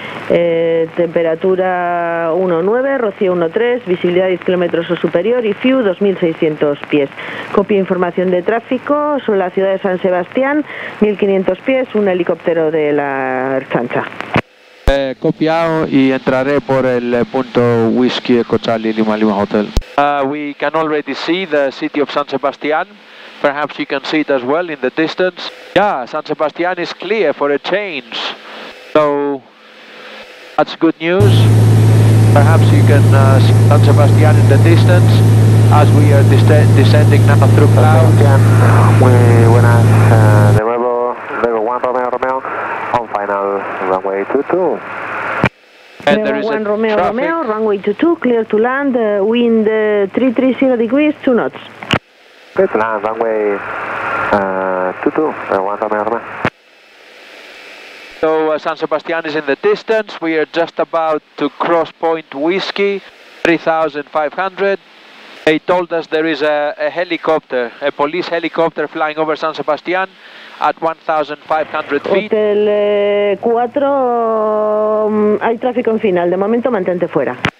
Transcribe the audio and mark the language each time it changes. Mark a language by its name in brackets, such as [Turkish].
[Spanish] Temperatura 1.9, rocío 1.3, visibilidad 10 kilómetros o superior y FIU 2.600 pies. Copia información de tráfico sobre la ciudad de San Sebastián, 1.500 pies, un helicóptero de la Ertzaintza. Copiado y entraré por el punto Whisky Eco Charlie Lima Lima Hotel. [English] We can already see the city of San Sebastián. Perhaps you can see it as well in the distance. Yeah, San Sebastián is clear for a change. So that's good news. Perhaps you can see San Sebastián in the distance as we are descending now through clouds. San Sebastián, [Spanish] muy buenas. De nuevo, [English] level 1 Romeo Romeo on final runway 22. And there is one Romeo traffic. Romeo, runway 22, clear to land, wind 330 degrees, 2 knots. Good land, runway 22, one Romeo. So San Sebastian is in the distance, we are just about to cross Point Whiskey, 3500. They told us there is a helicopter, a police helicopter flying over San Sebastian at 1,500 feet. [Spanish] Hotel 4, hay tráfico en final, de momento mantente fuera.